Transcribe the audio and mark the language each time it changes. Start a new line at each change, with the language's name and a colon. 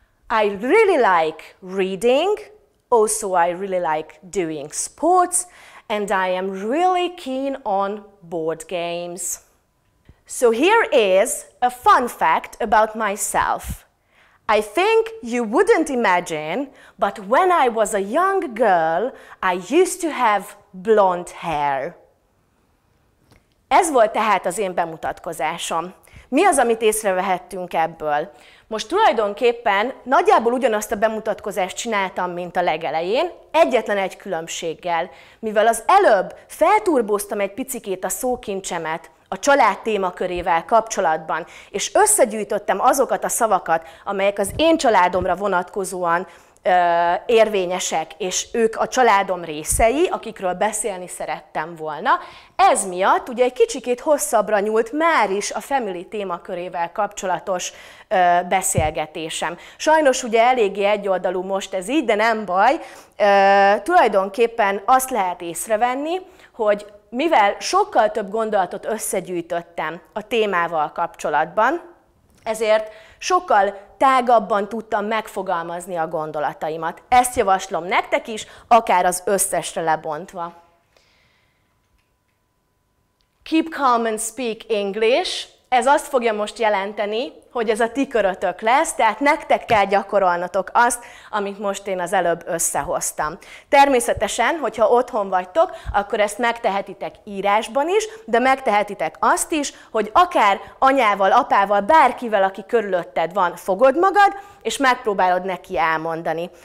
English: I really like reading, also I really like doing sports, and I am really keen on board games. So here is a fun fact about myself. I think you wouldn't imagine, but when I was a young girl, I used to have blonde hair.
Hungarian: Ez volt tehát az én bemutatkozásom. Mi az, amit észrevehettünk ebből? Most tulajdonképpen nagyjából ugyanazt a bemutatkozást csináltam, mint a legelején, egyetlen egy különbséggel. Mivel az előbb felturboztam egy picikét a szókincsemet a család témakörével kapcsolatban, és összegyűjtöttem azokat a szavakat, amelyek az én családomra vonatkozóan érvényesek, és ők a családom részei, akikről beszélni szerettem volna. Ez miatt ugye egy kicsikét hosszabbra nyúlt már is a family témakörével kapcsolatos beszélgetésem. Sajnos ugye eléggé egyoldalú most ez így, de nem baj. Tulajdonképpen azt lehet észrevenni, hogy mivel sokkal több gondolatot összegyűjtöttem a témával kapcsolatban, ezért sokkal tágabban tudtam megfogalmazni a gondolataimat. Ezt javaslom nektek is, akár az összesre lebontva.
English: Keep calm and speak English.
Hungarian: Ez azt fogja most jelenteni, hogy ez a ti körötök lesz, tehát nektek kell gyakorolnotok azt, amit most én az előbb összehoztam. Természetesen, hogyha otthon vagytok, akkor ezt megtehetitek írásban is, de megtehetitek azt is, hogy akár anyával, apával, bárkivel, aki körülötted van, fogod magad, és megpróbálod neki elmondani.